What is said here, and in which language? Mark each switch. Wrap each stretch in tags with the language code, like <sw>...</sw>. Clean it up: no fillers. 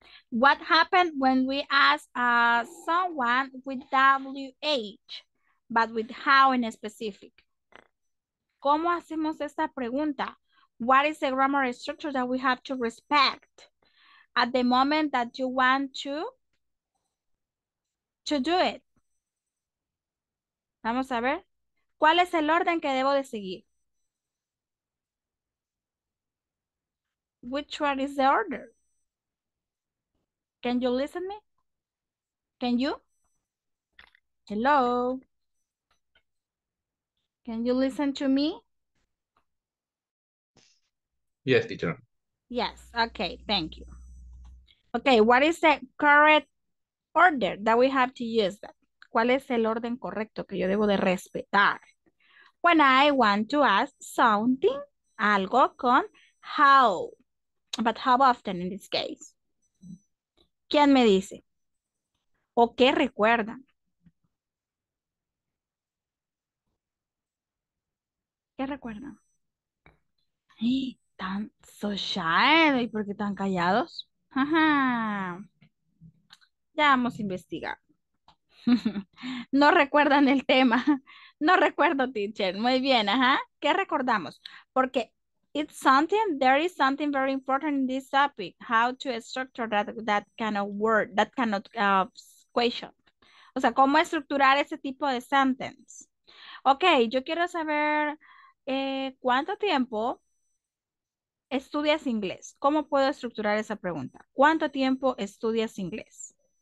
<en>What happened when we ask someone with WH, but with how in specific?</en> <es>¿Cómo hacemos esta pregunta?</es> <en>What is the grammar structure that we have to respect at the moment that you want to do it?</en> <es>Vamos a ver. ¿Cuál es el orden que debo de seguir?</es> <en>Which one is the order? Can you listen to me? Can you? Hello? Can you listen to me? Yes, teacher. Yes, okay, thank you. Okay, what is the correct order that we have to use?</en> <es>¿Cuál es el orden correcto que yo debo de respetar?</es> <en>When I want to ask something,</en> <es>algo con</es> <en>how. But how often in this case?</en> <es>¿Quién me dice? ¿O qué recuerdan? ¿Qué recuerdan? ¡Ay, tan</es> <en>so shy!</en> <es>¿Y por qué tan callados? Ya vamos a investigar. No recuerdan el tema. No recuerdo, teacher. Muy bien, ¿Qué recordamos? Porque</es> <en>it's something, there is something very important in this topic, how to structure that kind of word, that kind of question.</en> <es>O sea, ¿cómo estructurar ese tipo de sentence? Ok, yo quiero saber ¿cuánto tiempo estudias inglés? ¿Cómo puedo estructurar esa pregunta? ¿Cuánto tiempo estudias inglés?</es>